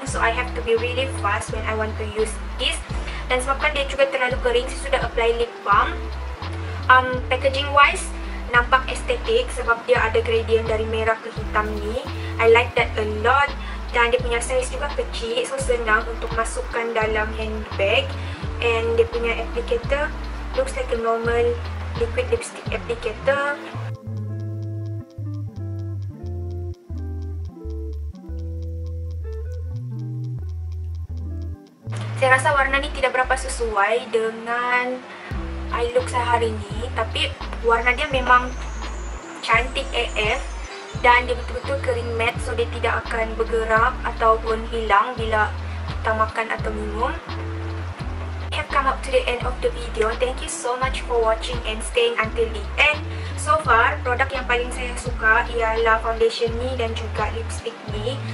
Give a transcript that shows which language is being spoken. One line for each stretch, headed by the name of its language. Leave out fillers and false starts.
English: So I have to be really fast when I want to use this.
Malay: Dan sebabkan dia juga terlalu kering, saya sudah apply lip balm. Packaging wise, nampak estetik sebab dia ada gradient dari merah ke hitam ni.
English: I like that a lot.
Malay: Dan dia punya size juga kecil, so senang untuk masukkan dalam handbag.
English: And
Malay: dia punya
English: applicator looks like a normal liquid lipstick applicator.
Malay: Saya rasa warna ni tidak berapa sesuai dengan eye look saya hari ni. Tapi warna dia memang cantik AF. Dan dia betul-betul kering matte, so dia tidak akan bergerak ataupun hilang bila kita makan atau minum.
English: I have come up to the end of the video. Thank you so much for watching and staying until the end.
Malay: So far, produk yang paling saya suka ialah foundation ni dan juga lipstick ni.